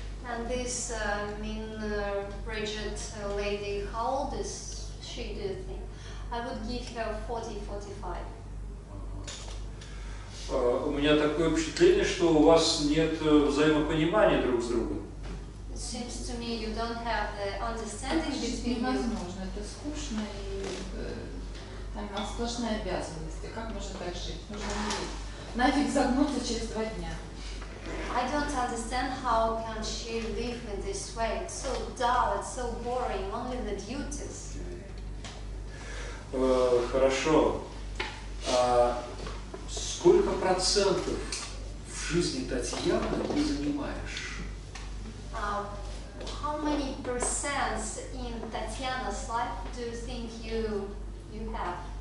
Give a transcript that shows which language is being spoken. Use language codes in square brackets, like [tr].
[en] And this mean Bridget lady, how old is she, do you think? I would give her 40-45. [ru] У меня такое впечатление, что у вас нет взаимопонимания друг с другом. [en] Seems to me you don't have the understanding between you. [ru] Невозможно, это скучно и там сплошные обязанности. Как можно так жить? Нужно нафиг загнуться через два дня. [en] I don't understand how can she live in this way. It's so dull, it's so boring. Only the duties. [ru] Хорошо. Сколько процентов в жизни Татьяны ты занимаешь? [en] How many percents in Татьяна's life do you think you have?